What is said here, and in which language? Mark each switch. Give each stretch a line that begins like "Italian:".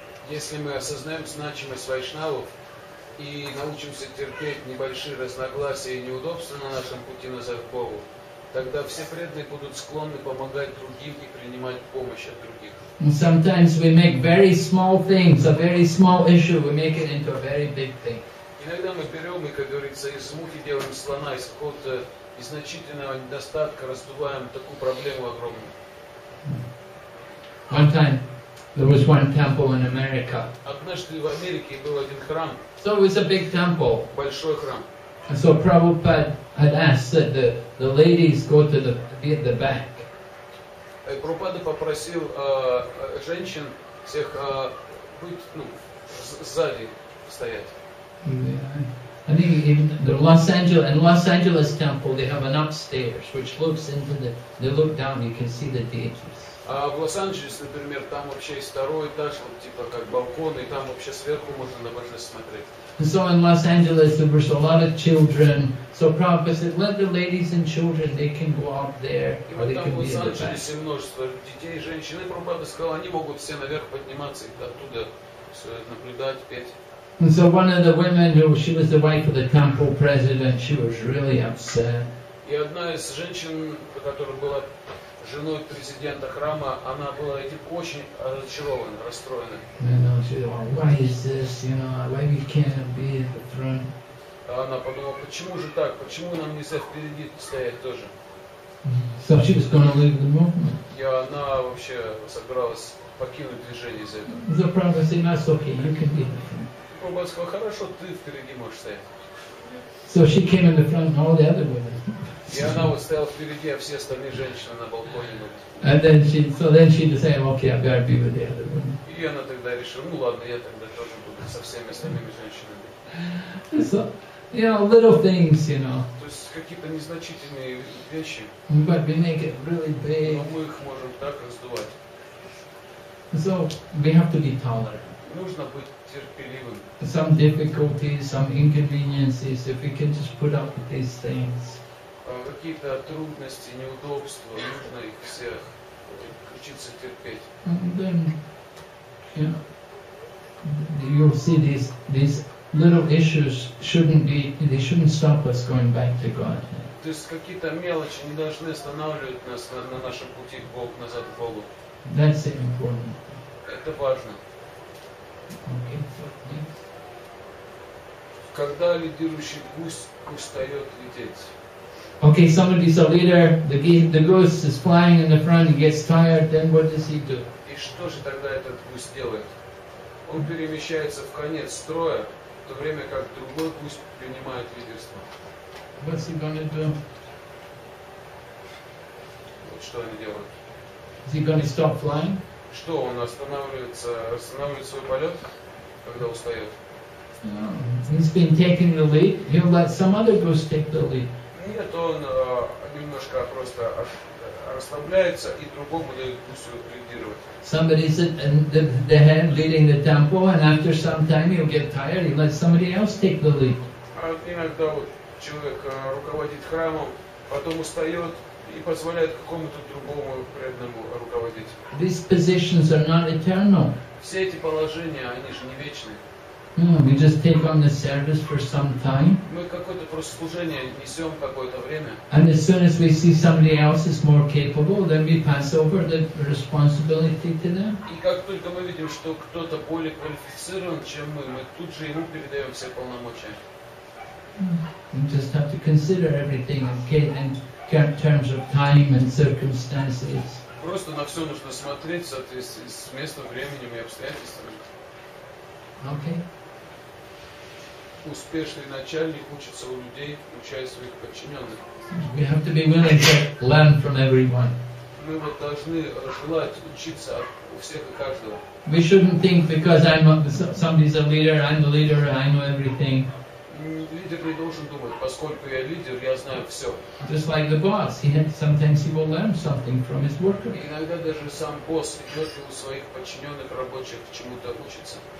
Russian: Если мы осознаем значимость вайшнавов и научимся терпеть небольшие разногласия и неудобства на нашем пути назад к Богу, тогда все преданные будут склонны помогать другим и принимать помощь от других.
English: And sometimes we make very small things, a very small issue, we make it into a very big thing.
Russian: Иногда мы берем и, как говорится, из мухи делаем слона, из какого-то незначительного недостатка раздуваем такую проблему огромную.
English: One time, there was one temple in America.
Russian: Однажды в Америке был один храм.
English: So it was a big temple.
Russian: Большой храм.
English: And so Prabhupada had asked that the ladies go to be at the back.
Russian: Прабхупада попросил женщин всех быть, ну, сзади стоять.
English: Yeah. I think even the Los Angeles temple, they have an upstairs which looks into the, they look down, you can see the deities.
Russian: В Лос-Анджелесе, например, там вообще есть второй этаж, вот типа как балкон, и там вообще сверху можно на божество смотреть.
English: And so in Los Angeles there were a lot of children. So Prabhupada said, let the ladies and children, they can go up there, or they can be in the back.
Russian: Множество детей, женщин, и Прабхупада сказал, они могут все наверх подниматься и оттуда наблюдать, петь.
English: And so one of the women, she was the wife of the temple president, she was really upset.
Russian: И одна из женщин, которая была женой президента храма, она была этим очень разочарована, расстроена. Она подумала, почему же так, почему нам нельзя впереди стоять тоже?
English: So she was going to leave the movement.
Russian: И она вообще собиралась покинуть движение из-за этого.
English: The prophet said, "That's okay, you can be in the front."
Russian: Прабхупада сказал, хорошо, ты впереди можешь стоять.
English: So she came in the front and all the other women.
Russian: И она вот стояла впереди, а все остальные женщины на балконе.
English: And then she, so then she decided, okay, I've got to be with the other women.
Russian: И она тогда решила, ну ладно, я тогда тоже буду со всеми остальными женщинами.
English: So, you know, little things, you know.
Russian: То есть какие-то незначительные вещи.
English: But we make it really big.
Russian: Но мы их можем так раздувать.
English: So we have to be tolerant.
Russian: Нужно быть терпеливым.
English: Some difficulties, some inconveniences, if we can just put up with these things.
Russian: Какие-то трудности, неудобства, нужно их всех учиться терпеть.
English: And then, you know, you'll see these little issues shouldn't stop us going back to God.
Russian: То есть какие-то мелочи не должны останавливать нас на нашем пути к Богу, назад к Богу.
English: That's important.
Russian: Это важно.
English: Okay.
Russian: Когда лидирующий гусь устает лететь.
English: Okay, somebody's a leader, the goose is flying in the front, he gets tired, then what does he do?
Russian: И что же тогда этот гусь делает? Он перемещается в конец строя, в то время как другой гусь принимает лидерство.
English: What's he gonna do?
Russian: Вот что они делают.
English: Is he gonna stop flying?
Russian: Что, он останавливает свой полет, когда устает?
English: No. He's been taking the lead, he'll let some other goose take the lead.
Russian: Нет, он немножко просто расслабляется и другому дает гусю лидировать.
English: Somebody is the head leading the tempo, and after some time he'll get tired, he lets somebody else take the lead.
Russian: А иногда вот человек руководит храмом, потом устает и позволяет какому-то другому преданному руководить.
English: These positions are not eternal.
Russian: Все эти положения, они же не вечные.
English: No, we just take on the service for some time.
Russian: Мы какое-то просто служение несем какое-то время.
English: And as soon as we see somebody else is more capable, then we pass over the responsibility to them.
Russian: И как только мы видим, что кто-то более квалифицирован, чем мы тут же ему передаем все полномочия.
English: We just have to consider everything in terms of time and circumstances.
Russian: Просто на все нужно смотреть в соответствии с местом, временем и обстоятельствами.
English: Okay.
Russian: Успешный начальник учится у людей, учая своих подчиненных.
English: We have to be willing to learn from everyone.
Russian: Мы вот должны желать учиться у всех и каждого.
English: We shouldn't think because somebody's a leader, I'm the leader, I know everything.
Russian: Лидер не должен думать, поскольку я лидер, я знаю все.
English: Just like the boss, sometimes he will learn something from his worker.
Russian: Иногда даже сам босс идет у своих подчиненных рабочих чему-то учиться.